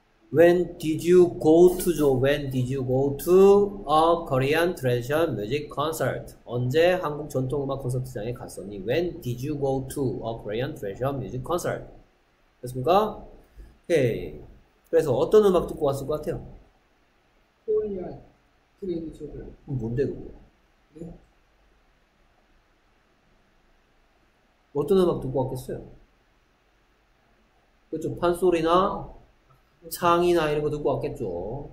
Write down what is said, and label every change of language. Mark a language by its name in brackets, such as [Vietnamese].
[English] When did you go to a Korean traditional music concert? [Korean] 언제 한국 전통음악 콘서트장에 갔었니? [English] When did you go to a Korean traditional music concert? [Korean] 됐습니까? 오케이. 그래서 어떤 음악 듣고 왔을 것 같아요? [English] Korean traditional. [Korean] 그럼 뭔데 그거? 네? 어떤 음악 듣고 왔겠어요? 그쵸? 판소리나? 창이나 이런 거 듣고 왔겠죠.